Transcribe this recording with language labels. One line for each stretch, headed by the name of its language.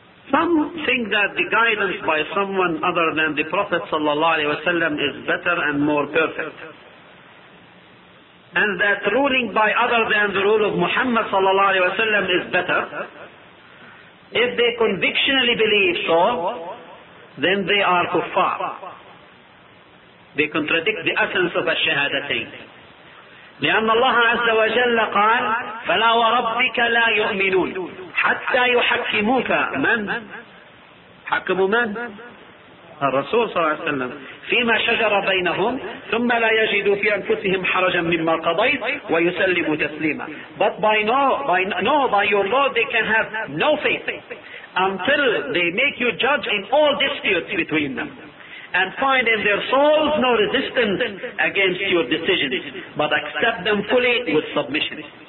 English: Some think that the guidance by someone other than the Prophet ﷺ is better and more perfect. And that ruling by other than the rule of Muhammad ﷺ is better. If they convictionally believe so, then they are kuffar. They contradict the essence of al-shahadatayn.
Arabic: لأن الله عز وجل قال فلا وربك لا يؤمنون حتى يحكموك من حكموا من الرسول صلى الله عليه وسلم فيما شجر بينهم ثم لا يجدوا في أنفسهم حرجا مما قضيت ويسلموا تسليما.
English: But by your Lord they can have no faith until they make you judge in all disputes between them and find in their souls no resistance against your decisions, but accept them fully with submission.